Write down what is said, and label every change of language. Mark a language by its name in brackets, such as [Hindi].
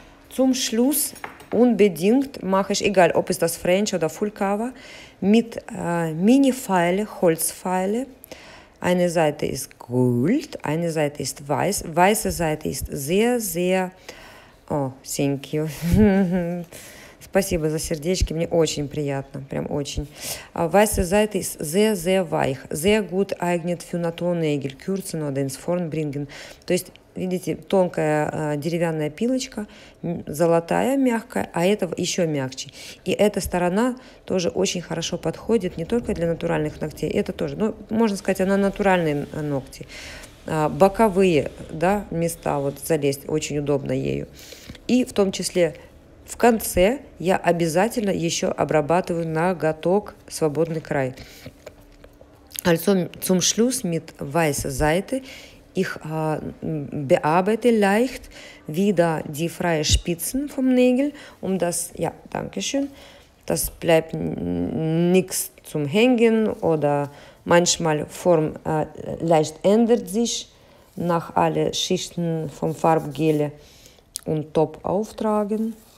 [German] Zum Schluss unbedingt mache ich, egal ob es das French oder Full Cover, mit Mini-File, Holzfeile. Eine Seite ist Gold, eine Seite ist Weiß. Weiße Seite ist sehr, sehr... [English] Oh, thank you. [Russian] Спасибо за сердечки, мне очень приятно, прям очень. [German] Weiße Seite ist sehr, sehr weich. Sehr gut eignet für Naturnägel, kürzen oder ins Form bringen. [Russian] То есть, видите, тонкая деревянная пилочка, золотая, мягкая, а это еще мягче. И эта сторона тоже очень хорошо подходит не только для натуральных ногтей, это тоже, ну, можно сказать, она натуральные ногти. Боковые, да, места вот залезть очень удобно ею. И в том числе... В конце я обязательно еще обрабатываю ноготок свободный край. [German] Also zum Schluss mit weißer Seite ich bearbeite leicht wieder die freie Spitzen vom Nägel, um das, ja, danke schön, das bleibt nichts zum Hängen oder manchmal Form leicht ändert sich nach alle Schichten vom Farbgele und Top auftragen.